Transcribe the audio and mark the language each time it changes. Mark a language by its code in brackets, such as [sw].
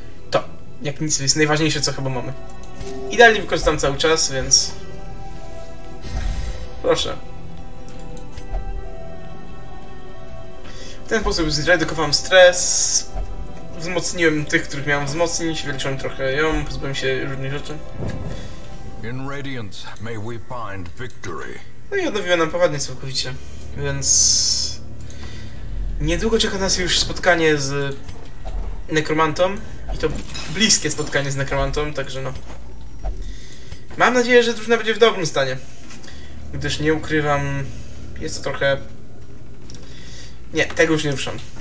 [pl] To, jak nic, jest najważniejsze, co chyba mamy. Idealnie wykorzystam cały czas, więc... Proszę. W ten sposób zredukowałem stres. Wzmocniłem tych, których miałem wzmocnić, wyleczyłem trochę ją, pozbyłem się różnych rzeczy. [en] In Radiance may we find victory. [pl] No i odnowiłem nam poradnie całkowicie, więc niedługo czeka nas już spotkanie z nekromantą i to bliskie spotkanie z nekromantą, także no. Mam nadzieję, że drużyna będzie w dobrym stanie, gdyż nie ukrywam, jest to trochę... Nie, tego już nie ruszam.